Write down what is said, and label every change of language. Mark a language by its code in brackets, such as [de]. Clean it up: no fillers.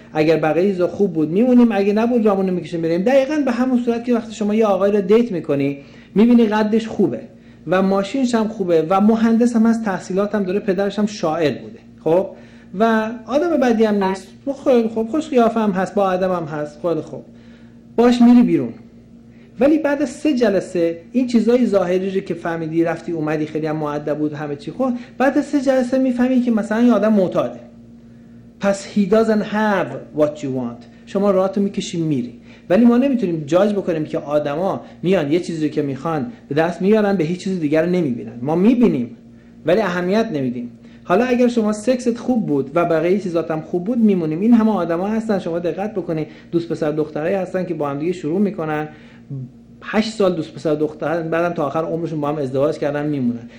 [fa] اگر بقیه چیزا خوب بود میمونیم، اگه نبود رامونو میکشیم میریم. دقیقاً به همون صورت که وقتی شما یه آقای رو دیت میکنی، میبینی قدش خوبه و ماشینش هم خوبه و مهندس هم از تحصیلات هم داره، پدرش هم شاعر بوده، خب و آدم بدی هم نیست، خیلی خوب، خوش قیافه هم هست، با آدم هم هست، خیلی خوب باش میری بیرون، ولی بعد از 3 جلسه این چیزای ظاهری رو که فهمیدی، رفتی اومدی خیلی هم مؤدب بود همه چی، خب بعد از 3 جلسه میفهمی که مثلا این آدم معتاده. پس [en] he doesn't have what you want. [fa] شما راهتو میکشی میری، ولی ما نمیتونیم جاج بکنیم که آدما میان یه چیزی که میخوان به دست میارن، به هیچ چیز دیگر رو نمیبینن. ما میبینیم ولی اهمیت نمیدیم. حالا اگر شما سکست خوب بود و بقیه چیزات هم خوب بود، میمونیم. این همه آدما هستن، شما دقت بکنی، دوست پسر دخترایی هستن که با هم دیگه شروع میکنن، 8 سال دوست پسر دختر، بعدم تا آخر عمرشون با هم ازدواج کردن میمونن.